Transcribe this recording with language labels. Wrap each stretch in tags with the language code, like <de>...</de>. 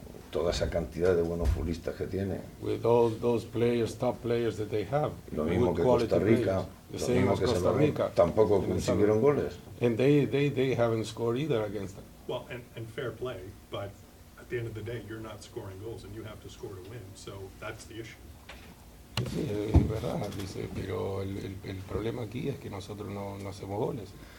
<es>toda esa cantidad de buenos futbolistas que tiene.</es> <en>With all those players, top players that they have.</en> <es>Lo mismo que Costa Rica.</es> <en>The same as Costa Rica.</en> <es>Tampoco consiguieron goles.</es> <en>And they haven't scored either against them. Well, and fair play, but at the end of the day, you're not scoring goals and you have to score to win. So that's the issue.</en> <es>Sí, es verdad, dice, pero el problema aquí es que nosotros no hacemos goles.</es>